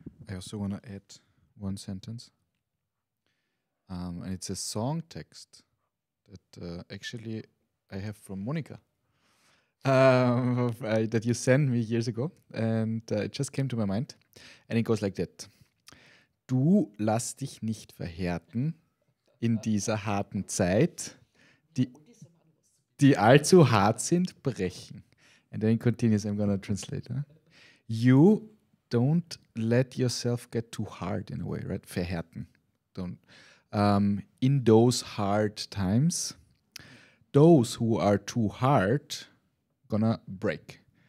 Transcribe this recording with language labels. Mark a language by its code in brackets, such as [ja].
[en] I also want to add one sentence, and it's a song text that actually I have from Monika that you sent me years ago, and it just came to my mind, and it goes like that. [de] Du lass dich nicht verhärten in dieser harten Zeit, die allzu hart sind, brechen. [en] And then continues, I'm gonna translate. You don't let yourself get too hard in a way, right? Verhärten. Don't. In those hard times, those who are too hard gonna break.